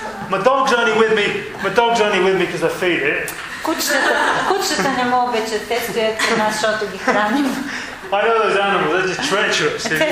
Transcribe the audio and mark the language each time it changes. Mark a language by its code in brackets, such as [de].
[en] My dog's only with me because I feed it. [bg] Кучетата не ме обичат, те стоят с нас, защото ги храним. [en] I know those animals, they're just treacherous.